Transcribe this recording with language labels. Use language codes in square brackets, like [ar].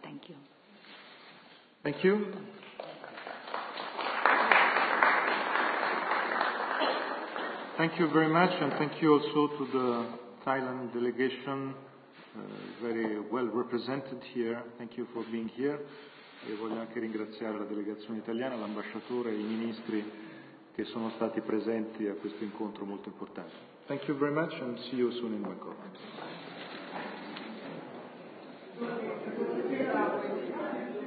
[en] Thank you. Thank you. Thank you very much, and thank you also to the Thailand delegation, very well represented here. Thank you for being here. [it] E voglio anche ringraziare la delegazione italiana, l'ambasciatore e i ministri che sono stati presenti a questo incontro molto importante. [en] Thank you very much, and see you soon in Bangkok.